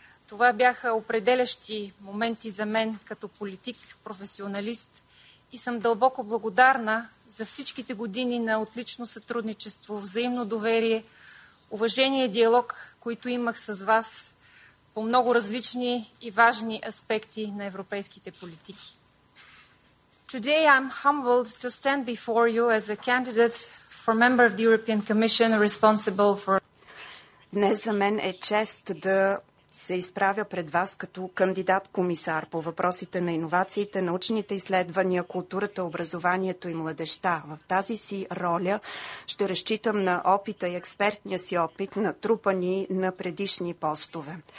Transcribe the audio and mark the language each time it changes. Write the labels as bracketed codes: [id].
[bg] Това бяха определящи моменти за мен като политик, професионалист и съм дълбоко благодарна за всичките години на отлично сътрудничество, взаимно доверие, уважение и диалог, които имах с вас по много различни и важни аспекти на европейските политики. [en] Today I'm humbled to stand before you as a candidate for member of the European Commission responsible for. [bg] Днес за мен е чест да се изправя пред вас като кандидат-комисар по въпросите на иновациите, научните изследвания, културата, образованието и младежта. В тази си роля ще разчитам на опита и експертния си опит, натрупани на предишни постове.